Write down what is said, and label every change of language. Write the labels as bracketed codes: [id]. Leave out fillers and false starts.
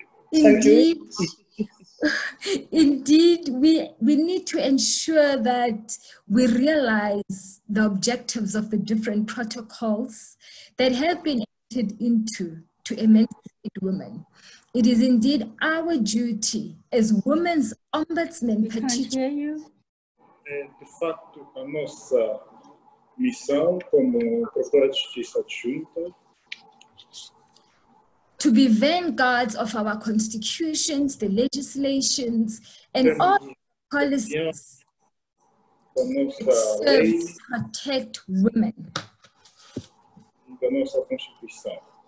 [en] Indeed, indeed, we need to ensure that we realize the objectives of the different protocols that have been entered into to emancipate women. It is indeed our duty as women's ombudsmen, particularly. [pt] De facto, a nossa missão como Procuradora de Justiça Adjunta [en] to be vanguards of our constitutions, the legislations, and all policies that serve to protect women. [pt] Da nossa Constituição.